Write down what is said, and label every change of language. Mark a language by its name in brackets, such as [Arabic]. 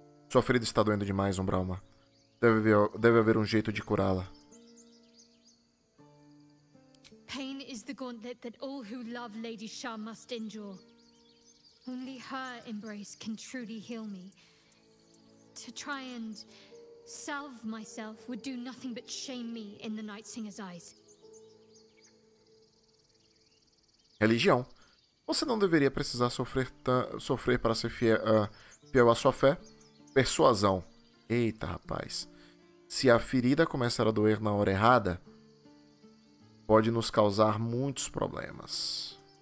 [Portuguese] Sua ferida está doendo demais, Umbralma. Deve haver um jeito de curá-la. [English] Pain is the gauntlet that all who love Lady Sha must endure. Only her embrace can truly heal me. To try and salve myself would do nothing but shame me in the Night Singer's eyes. [Portuguese] Religião. Você não deveria precisar sofrer para ser fiel à sua fé. Persuasão. Eita, rapaz. Se a ferida começar a doer na hora errada, pode nos causar muitos problemas.